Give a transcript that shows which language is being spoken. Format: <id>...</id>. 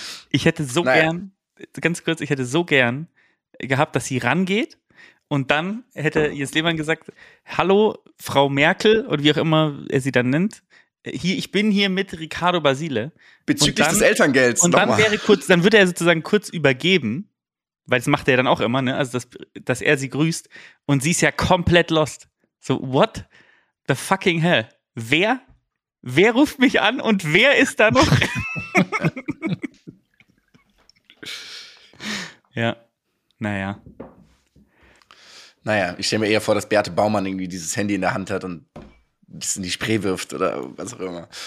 <de>Ich hätte so gern, ganz kurz, ich hätte so gern gehabt, dass sie rangeht und dann hätte Jens Lehmann gesagt, hallo Frau Merkel oder wie auch immer er sie dann nennt. Ich bin hier mit Ricardo Basile. Bezüglich des Elterngelds. Und dann würde er sozusagen kurz übergeben. weil das macht er dann auch immer, ne? Also dass er sie grüßt und sie ist ja komplett lost.</de> <en>So, what the fucking hell?</en> <de>Wer ruft mich an und wer ist da noch? Ja, naja. Naja, ich stelle mir eher vor, dass Beate Baumann irgendwie dieses Handy in der Hand hat und das in die Spree wirft oder was auch immer.</de>